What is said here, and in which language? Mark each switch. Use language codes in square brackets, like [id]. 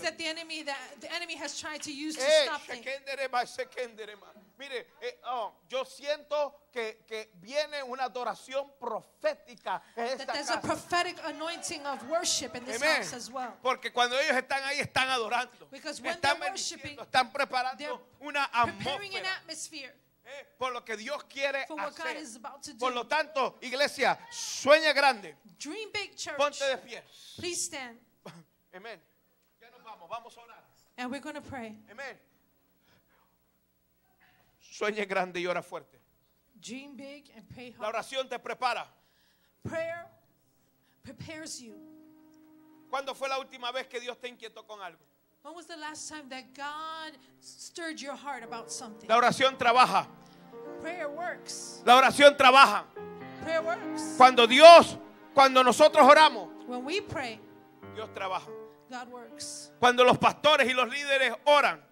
[en] Things that the enemy has tried to use to stop things. [es] Mire, yo siento que viene una adoración profética en esta casa. [en] There's a prophetic anointing of worship in this house as well. [es] Porque cuando ellos están ahí están adorando. [en] Because when they're worshiping, [es] están preparando una atmósfera. [en] Preparing an atmosphere. [es] Por lo que Dios quiere [en] for what [es] hacer. [en] God is about to do. [es] Por lo tanto, iglesia, sueña grande. [en] Dream big, church. [es] Ponte de pie. [en] Please stand. [es] Amen. Ya nos vamos. Vamos a orar. [en] And we're going to pray. Amen. [es] Sueña grande y ora fuerte. [en] Dream big and pray hard. [es] La oración te prepara. [en] Prayer prepares you. [es] ¿Cuándo fue la última vez que Dios te inquietó con algo? [en] When was the last time that God stirred your heart about something? [es] La oración trabaja. [en] Prayer works. [es] La oración trabaja. [en] Prayer works. [es] Cuando nosotros oramos, [en] when we pray, [es] Dios trabaja. [en] God works. [es] Cuando los pastores y los líderes oran,